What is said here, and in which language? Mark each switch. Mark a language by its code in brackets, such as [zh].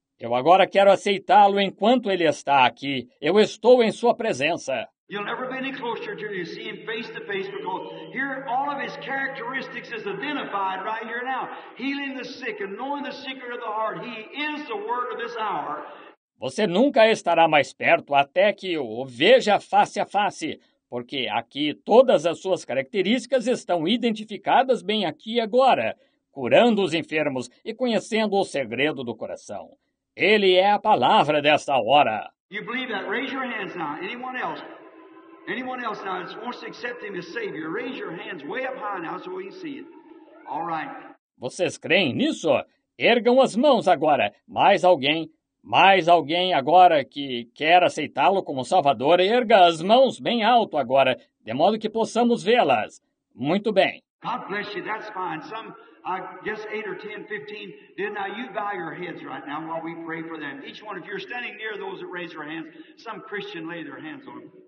[pt] Eu agora quero aceitá-lo enquanto ele está aqui. Eu estou em sua presença. [en] You'll never be any closer until you see him face to face because here all of his characteristics is identified right here now. Healing the sick and knowing the secret of the heart. He is the word of this hour. [pt] Você nunca estará mais perto até que o veja face a face, porque aqui todas as suas características estão identificadas bem aqui e agora, curando os enfermos e conhecendo o segredo do coração. Ele é a palavra desta hora. [en] You believe that? Raise your hands now. Anyone else? Anyone else now that wants to accept him as Savior? Raise your hands way up high now so we can see it. All right. [pt] Vocês creem nisso? Ergam as mãos agora. Mais alguém agora que quer aceitá-lo como Salvador, erga as mãos bem alto agora, de modo que possamos vê-las. Muito bem. [en] God bless you, that's fine. Some, I guess, 8 or 10, 15, did now you bow your heads right now while we pray for them. Each one, if you're standing near those that raise their hands, some Christian lay their hands on them.